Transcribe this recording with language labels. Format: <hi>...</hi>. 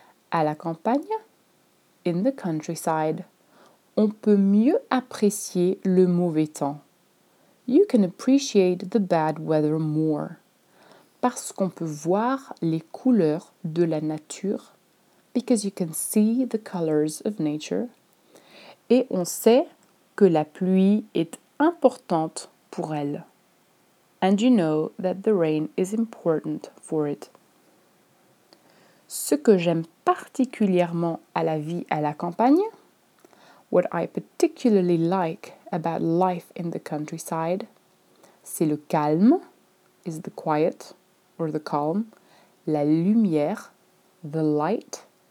<fr>À la campagne,</fr> <en>in the countryside,</en> <fr>on peut mieux apprécier le mauvais temps.</fr> <en>You can appreciate the bad weather more.</en> <fr>Parce qu'on peut voir les couleurs de la nature.</fr> <en>Because you can see the colors of nature.</en> <fr>Et on sait que la pluie est importante pour elle.</fr> <en>And you know that the rain is important for it.</en> <fr>Ce que j'aime particulièrement à la vie à la campagne,</fr> <en>what I particularly like about life in the countryside,</en> <fr>c'est le calme,</fr> <en>is the quiet or the calm,</en> <fr>la lumière,</fr> <en>the light,</en>